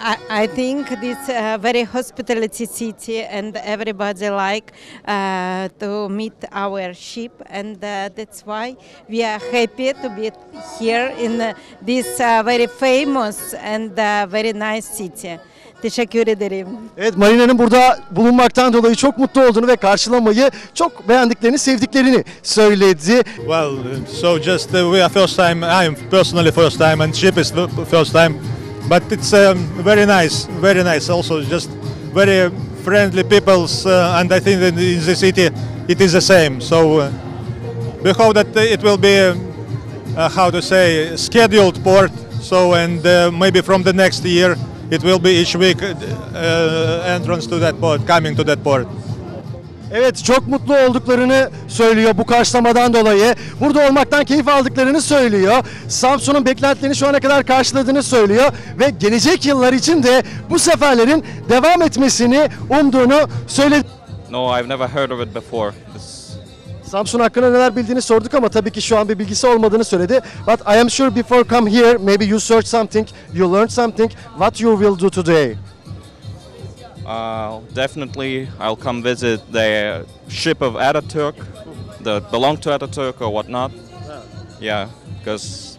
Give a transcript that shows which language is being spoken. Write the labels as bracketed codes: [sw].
[en] I think this very hospitality city and everybody like to meet our ship and that's why we are happy to be here in this very famous and very nice city. [tr] Teşekkür ederim. Evet, Marina'nın burada bulunmaktan dolayı çok mutlu olduğunu ve karşılamayı çok beğendiklerini, sevdiklerini söyledi. [en] Well, so just we are first time, I'm personally first time and ship is first time. But it's very nice, very nice. Also, just very friendly people, and I think that in the city it is the same. So we hope that it will be, how to say, scheduled port. So and maybe from the next year it will be each week entrance to that port, coming to that port. [tr] Evet, çok mutlu olduklarını söylüyor bu karşılamadan dolayı. Burada olmaktan keyif aldıklarını söylüyor. Samsun'un beklentilerini şu ana kadar karşıladığını söylüyor. Ve gelecek yıllar için de bu seferlerin devam etmesini umduğunu söyledi. [en] No, I've never heard of it before. This... [tr] Samsun hakkında neler bildiğini sorduk ama tabii ki şu an bir bilgisi olmadığını söyledi. [en] But I am sure before come here, maybe you search something, you learn something, what you will do today. Definitely, I'll come visit the ship of Ataturk, that belonged to Ataturk or whatnot. Yeah, because